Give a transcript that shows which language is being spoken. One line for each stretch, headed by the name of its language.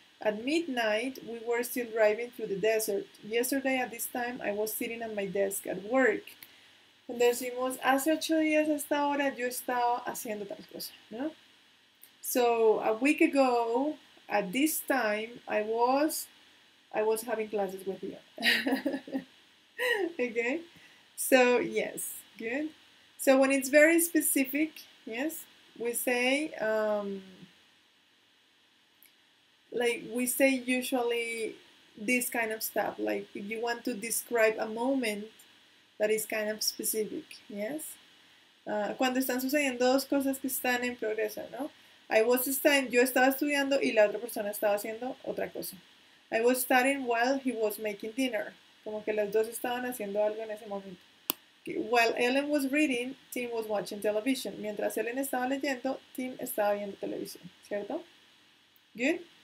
English: At midnight, we were still driving through the desert. Yesterday at this time, I was sitting at my desk at work.
Spanish: Cuando decimos, hace 8 días a esta hora, yo estaba haciendo tal cosa, ¿no?
English: So, a week ago, at this time, I was having classes with you. Okay, so yes, good. So when it's very specific, yes, we say, like we say usually this kind of stuff, like if you want to describe a moment that is kind of specific, yes.
Spanish: Cuando están sucediendo dos cosas que están en progreso, ¿no?
English: I was studying,
Spanish: yo estaba estudiando y la otra persona estaba haciendo otra cosa.
English: I was studying while he was making dinner.
Spanish: Como que las dos estaban haciendo algo en ese momento.
English: While Ellen was reading, Tim was watching television.
Spanish: Mientras Ellen estaba leyendo, Tim estaba viendo televisión, ¿cierto? Good.